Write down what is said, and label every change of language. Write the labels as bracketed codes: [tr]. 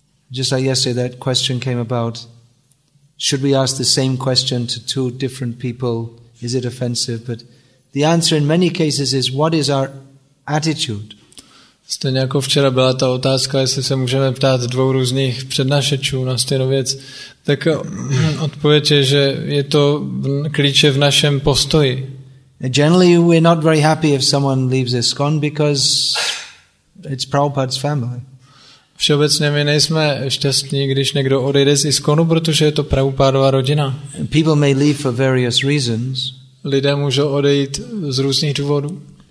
[en] Just like yesterday, that question came about: should we ask the same question to two different people? Is it offensive? But the answer in many cases is: what is our attitude? [cs] Stejně jako včera byla ta otázka, jestli se můžeme ptát dvou různých přednášečů na stejnou věc, tak odpověď je, že je to klíče v našem postoji. [en] Generally we're not very happy if someone leaves ISKCON because it's Prabhupada's family. [cs] Všeobecně my nejsme šťastní, když někdo odejde z ISKCONu, protože je to Prabhupádova rodina. [en] People may leave for various reasons. [cs] Lidé můžou odejít z různých důvodů.